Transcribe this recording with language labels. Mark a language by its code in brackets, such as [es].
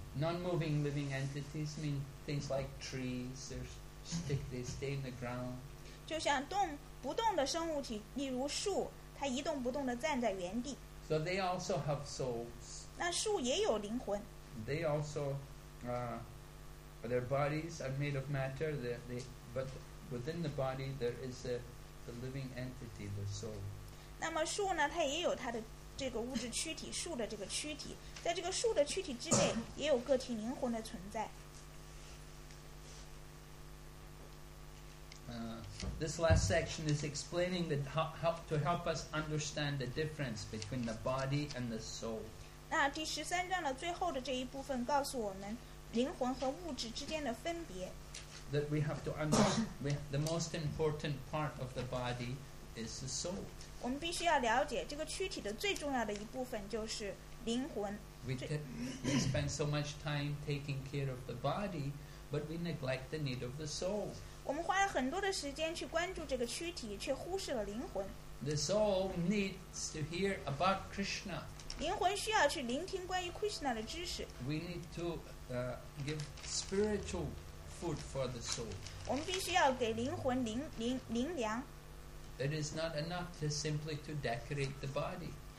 [en] Non-moving living entities mean things like trees, they stay in the ground. [zh] 就像动不动的生物体，例如树，它一动不动地站在原地。 [en] So they also have souls. [zh] 那树也有灵魂。 [en] They also, their bodies are made of matter, but within the body there is the living entity, the soul. [zh] 那么树呢，它也有它的 这个物质躯体，树的这个躯体，在这个树的躯体之内，也有个体灵魂的存在。 [en] This last section is explaining the help us understand the difference between the body and the soul. [zh] 那第十三章的最后的这一部分告诉我们，灵魂和物质之间的分别。 [en] That we have to understand the most important part of the body is the soul. [zh] 我们必须要了解这个躯体的最重要的一部分就是灵魂。 [en] We spend so much time taking care of the body, but we neglect the need of the soul. [zh] 我们花了很多的时间去关注这个躯体，却忽视了灵魂。 [en] The soul needs to hear about Krishna. [zh] 灵魂需要去聆听关于Krishna的知识。 [en] We need to give spiritual food for the soul. [zh] 我们必须要给灵魂灵粮。 [en] It is not enough to simply to decorate the body.